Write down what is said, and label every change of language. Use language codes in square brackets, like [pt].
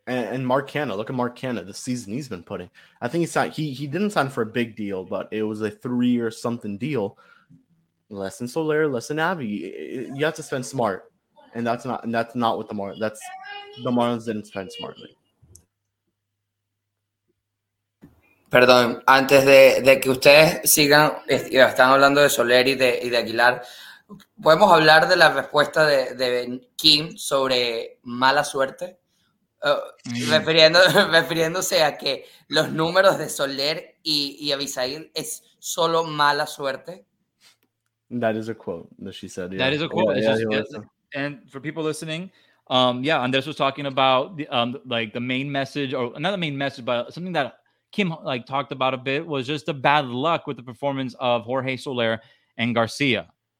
[en] And Mark Canna, look at Mark Canna, the season he's been putting. I think he didn't sign for a big deal, but it was a 3 year something deal. Less than Soler, less than Avi. You have to spend smart, and that's not what the Marlins didn't spend smartly. [es] Perdón, antes de que ustedes sigan, están hablando de Soler y de Aguilar. Podemos hablar de la respuesta de Kim sobre mala suerte, refiriéndose a que los números de Soler y Abisail es solo mala suerte. [en] That is a quote that she said. Yeah. That is a quote. And for people listening, Andres was talking about the main message, or not the main message, but something that Kim like talked about a bit was just the bad luck with the performance of Jorge Soler and Garcia.